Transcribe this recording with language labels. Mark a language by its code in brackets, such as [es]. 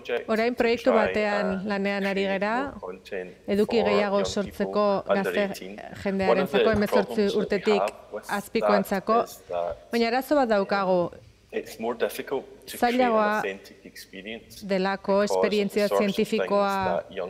[eu] Orain proiektu batean lanean ari gara, eduki gehiago sortzeko gazte jendearen zako, 18 urtetik azpikoentzako. Baina arazo bat daukagu. [en] It's more difficult to create an authentic experience [eu] delako esperientzia zientifikoa